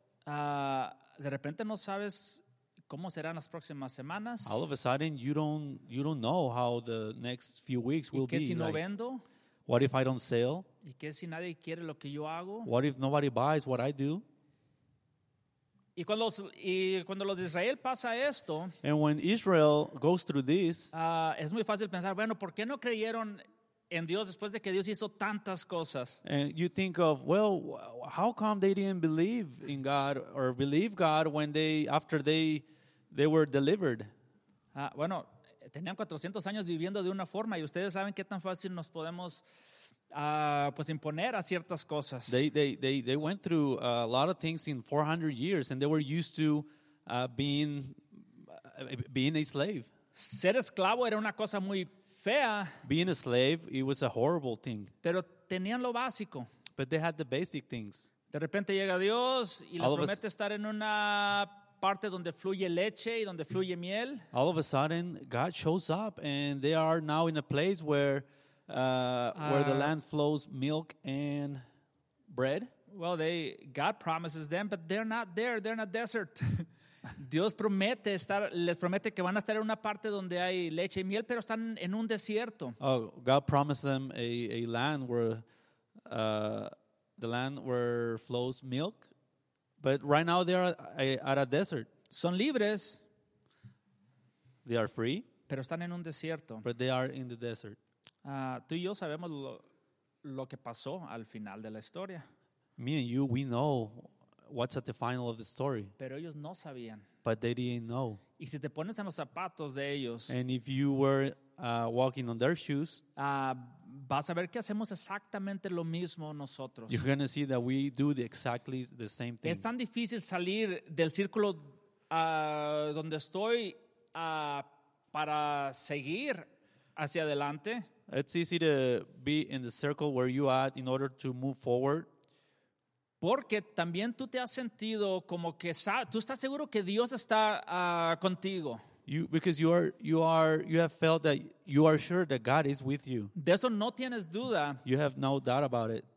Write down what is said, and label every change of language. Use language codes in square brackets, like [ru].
[es] De repente no sabes cómo serán las próximas semanas. [en] All of a sudden, you don't know how the next few weeks will be. [es] ¿Y qué si no vendo? [en] What if I don't sell? [es] ¿Y qué si nadie quiere lo que yo hago? [en] What if nobody buys what I do? [es] Y cuando los Israel pasa esto. [en] And when Israel goes through this. [es] Es muy fácil pensar, bueno, ¿por qué no creyeron en Dios después de que Dios hizo tantas cosas? [en] And you think of, well, how come they didn't believe in God or believe God when they were delivered? [es] Bueno, tenían 400 años viviendo de una forma y ustedes saben qué tan fácil nos podemos pues imponer a ciertas cosas. [en] They went through a lot of things in 400 years and they were used to being a slave. [es] Ser esclavo era una cosa muy fea. [en] Being a slave, it was a horrible thing. [es] Pero tenían lo básico. [en] But they had the basic things. [es] De repente llega Dios y les promete estar en una parte donde fluye leche y donde fluye miel. [en] All of a sudden, God shows up and they are now in a place where where the land flows milk and bread? Well, God promises them, but they're not there. They're in a desert. [es] Dios promete estar, les promete que van a estar en una parte donde hay leche y miel, pero están en un desierto. [en] Oh, God promised them a land where the land where flows milk, but right now they are at a desert. [es] Son libres. [en] They are free. [es] Pero están en un desierto. [en] But they are in the desert. [es] Tú y yo sabemos lo que pasó al final de la historia. [en] Me and you, we know what's at the final of the story. [es] Pero ellos no sabían. [en] But they didn't know. [es] Y si te pones en los zapatos de ellos, [en] and if you were walking on their shoes, [es] vas a ver que hacemos exactamente lo mismo nosotros. [en] You're going to see that we do exactly the same thing. [es] Es tan difícil salir del círculo donde estoy para seguir hacia adelante. [en] It's easy to be in the circle where you at in order to move forward. [es] Porque también tú te has sentido como que tú estás seguro que Dios está contigo. [en] You have felt that you are sure that God is with you. [es] De eso no tienes duda. [en] You have no doubt about it.